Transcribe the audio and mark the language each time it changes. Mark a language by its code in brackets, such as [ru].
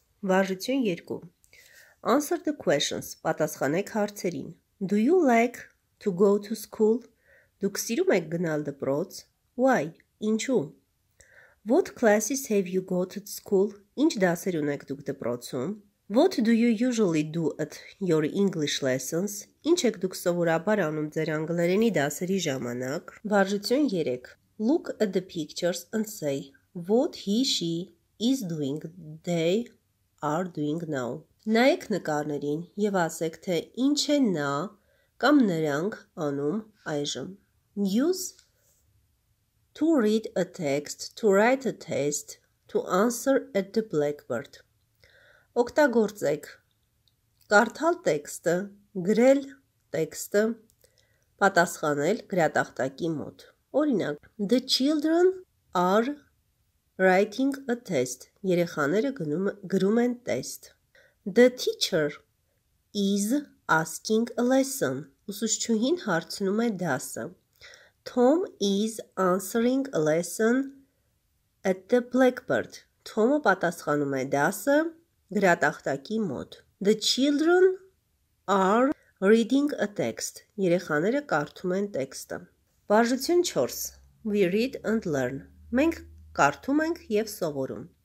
[hy] Վարժություն 2. [en] Answer the questions. [hy] Պատասխանեք հարցերին. [en] Do you like to go to school? [hy] Դուք սիրում եք գնալ դպրոց? [en] Why? [hy] Ինչու? [en] What classes have you got at school? [hy] Ինչ դասեր ունեք դուք դպրոցում? [en] What do you usually do at your English lessons? [hy] Ինչ եք դուք սովորաբար անում ձեր անգլերենի դասերի ժամանակ? Վարժություն 3. [en] Look at the pictures and say what he, she is doing, they are doing now. [hy] Նայեք նկարներին եւ ասեք թե ինչ են նա կամ նրանք անում այժմ. [en] Use to read a text, to write a test, to answer at the blackboard. [hy] Օգտագործեք կարդալ տեքստը, գրել տեքստը, պատասխանել գրատախտակի մոտ. Օրինակ, [en] the children are writing a test. [hy] Երեխաները գրում են տեստ. [en] The teacher is asking a lesson. [hy] Ուսուցչուհին հարցնում է դասը. [en] Tom is answering a lesson at the blackboard. [hy] Թոմը պատասխանում է դասը գրատախտակի մոտ. [en] The children are reading a text. [hy] Երեխաները կարդում են տեքստը. Վարժություն 4. [en] We read and learn. [hy] Մենք կարդում ենք եւ սովորում.